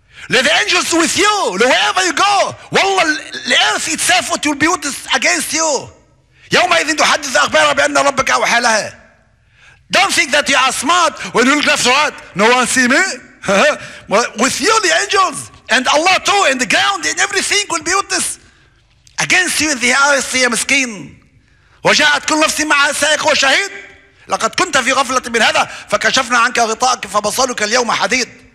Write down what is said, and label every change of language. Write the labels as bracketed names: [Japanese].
[English] Let the angels with you, wherever you go. Wallah, the earth itself will be against you. [Arabic] يوم إذن تحدث أخبارها بأن ربك أوحى لها. [English] Don't think that you are smart when you look left or right. No one see me. With you, the angels, and Allah too, and the ground, and everything will be witness against you in the earth, [Arabic] يا مسكين. وجاءت كل نفس معها سائق وشهيد. لقد كنت في غفلة من هذا فكشفنا عنك غطاءك فبصرك اليوم حديد.